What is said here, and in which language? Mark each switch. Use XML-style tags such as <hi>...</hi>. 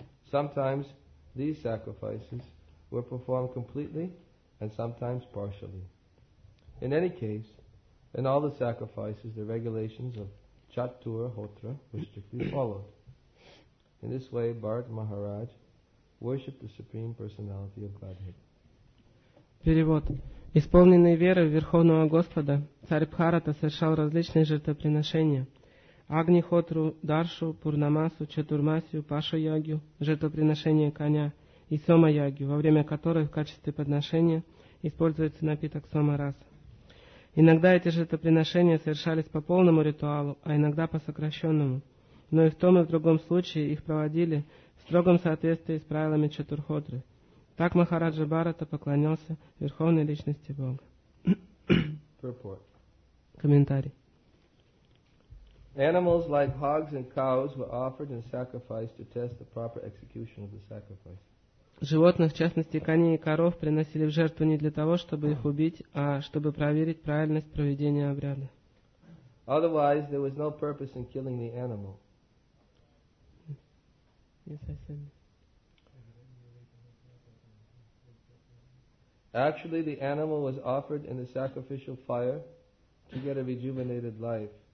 <en>Sometimes these sacrifices were performed completely and sometimes partially. In any case, in all the sacrifices, the regulations of Chatur Hotra were strictly followed. In this way, Bharat Maharaj worshipped the Supreme Personality of Godhead.</en> <ru>Перевод. Исполненный верой в Верховного Господа, царь Бхарата совершал различные жертвоприношения. Агнихотру, Даршу, Пурнамасу, Чатурмасию, Пашу-Ягью, жертвоприношение коня и Сома-Ягью, во время которой в качестве подношения используется напиток Сома-Раса. Иногда эти жертвоприношения совершались по полному ритуалу, а иногда по сокращенному. Но и в том, и в другом случае их проводили в строгом соответствии с правилами Чатурхотры. Так Махараджа Бхарата поклонился Верховной Личности Бога. Комментарий.</ru> <en>Animals like hogs and cows were offered in sacrifice to test the proper execution of the sacrifice.</en> <ru>Животных, в частности коней и коров, приносили в жертву не для того, чтобы их убить, а чтобы проверить правильность проведения обряда.</ru> <en>Otherwise, there was no purpose in killing the animal. Yes, I said. Actually, the animal was offered in the sacrificial fire to get a rejuvenated life.</en>